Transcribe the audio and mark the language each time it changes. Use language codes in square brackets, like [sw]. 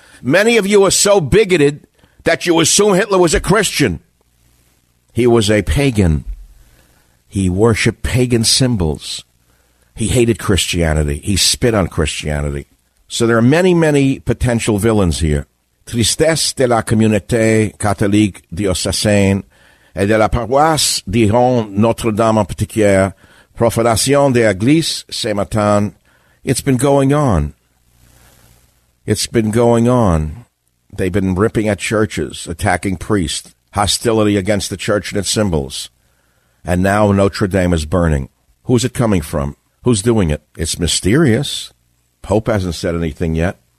[en] Many of you are so bigoted that you assume Hitler was a Christian. He was a pagan. He worshipped pagan symbols. He hated Christianity. He spit on Christianity. So there are many, many potential villains here. [fr] Tristesse de la communauté catholique diocésaine et de la paroisse Dijon Notre-Dame en particulier, profanation de l'église ce matin. [en] It's been going on. It's been going on. They've been ripping at churches, attacking priests, hostility against the church and its symbols. And now Notre Dame is burning. Who's it coming from? Who's doing it? It's mysterious. Pope hasn't said anything yet.